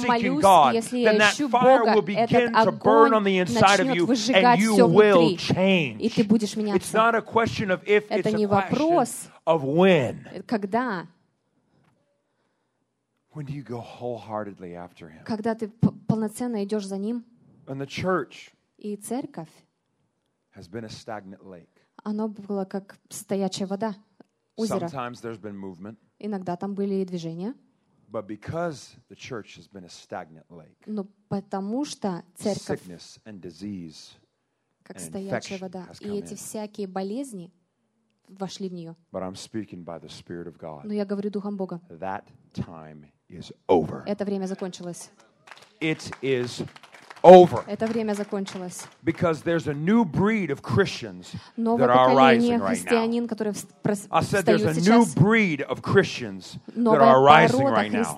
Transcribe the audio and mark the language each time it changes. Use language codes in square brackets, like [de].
[en] seeking God, then that fire [ru] Бога, [en] will begin to burn on the inside of you and you will change. It's not a question of if, it's a question of when. When do you go wholeheartedly after him? [ru] Когда ты полноценно идёшь за ним? [en] And the church [ru] и церковь [en] has been a stagnant lake. [ru] Оно было как стоячая вода, озеро. [en] Sometimes there's been movement. [ru] Иногда там были движения. [en] But because the church has been a stagnant lake. [ru] Но потому что церковь [en] sickness and disease [ru] как стоячая вода, и эти всякие болезни вошли в неё. [en] But I'm speaking by the Spirit of God. [ru] Но я говорю Духом Бога. [en] That time is over. [ru] Это время закончилось. [en] It is over. [ru] Это время закончилось. [en] Because there's a new breed of Christians that are arising right now. I said there's a new breed of Christians that are arising right now.